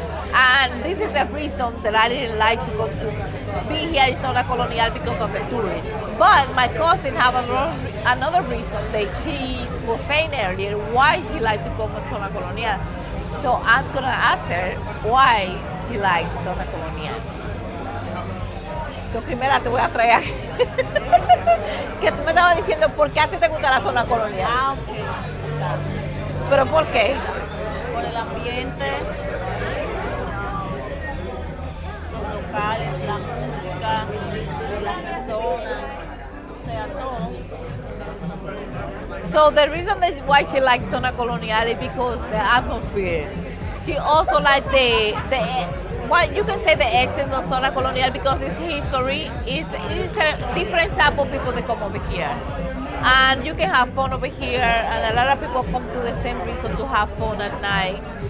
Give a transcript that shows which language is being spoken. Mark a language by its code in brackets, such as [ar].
[en] And this is the reason that I didn't like to come to be here in Zona Colonial, because of the tourists. But my cousin have another reason that she was saying earlier why she likes to come to Zona Colonial. So I'm gonna ask her why she likes Zona Colonial. [es] Primera te voy a traer que tú me estabas diciendo por qué a ti te gusta la Zona Colonial. [en] Ah, okay. [es] Pero por qué, por el ambiente, los locales, la música, las personas, o sea, todo. [en] So the reason that why she likes Zona Colonial is because the atmosphere. She also likes the what you can say the essence of Zona Colonial, because it's history. It's a different type of people that come over here. And you can have fun over here, and a lot of people come to the same reason, to have fun at night.